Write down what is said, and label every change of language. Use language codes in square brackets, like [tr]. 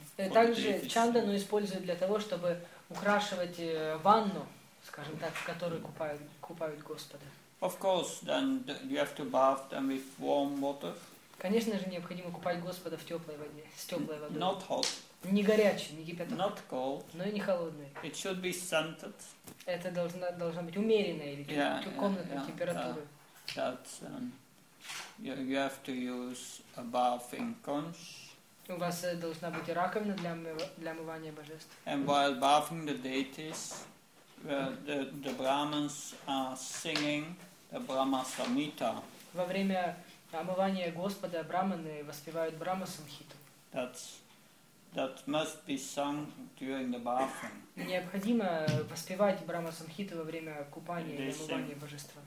[ru] Также чандану используют для того, чтобы украшивать ванну, скажем так, в которую купают Господа. [en] Of course, then you have to bath them with warm water. [ru] Конечно же, необходимо купать Господа в теплой воде, с теплой водой. [en] Not hot. [ru] Не горячей, не кипяток. [en] Not cold. [ru] Но и не холодной. [en] It should be scented. [ru] Это должна быть умеренная или комнатная температура. [en] That's, you have to use a bathing conch. [ru] У вас должна быть раковина для омывания божеств. [en] And while bathing the deities, the Brahmins are singing the Brahma Samhita. [ru] Во время омывания Господа браманы воспевают Брахма Самхиту. [en] That must be sung during the bathing. [ru] Необходимо воспевать Брахма Самхиту во время купания и омывания божества.